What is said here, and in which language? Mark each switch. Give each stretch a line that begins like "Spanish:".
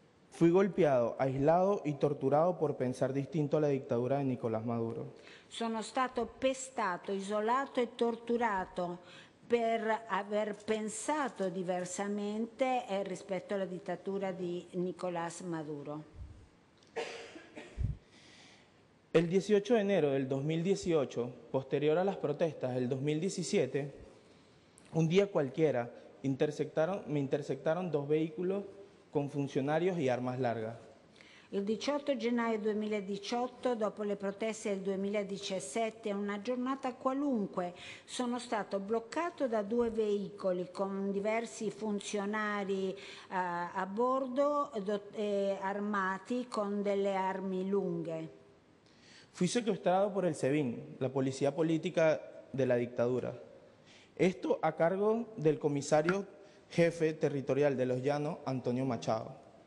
Spanish: Fui golpeato, aislado y torturado por pensar distinto a la dictadura de Nicolás Maduro.
Italian: Sono stato pestato, isolato e torturato per aver pensato diversamente rispetto alla dittatura di Nicolás Maduro.
Spanish: El 18 de enero del 2018, posterior a las protestas del 2017, un día cualquiera me interceptaron dos vehículos con funzionarios y armas largas.
Italian: Il 18 gennaio 2018, dopo le proteste del 2017, una giornata qualunque, sono stato bloccato da due veicoli con diversi funzionari a bordo armati con delle armi lunghe.
Spanish: Fui secuestrado por el SEBIN, la policía política de la dictadura. Esto a cargo del comisario jefe territorial de Los Llanos, Antonio Machado.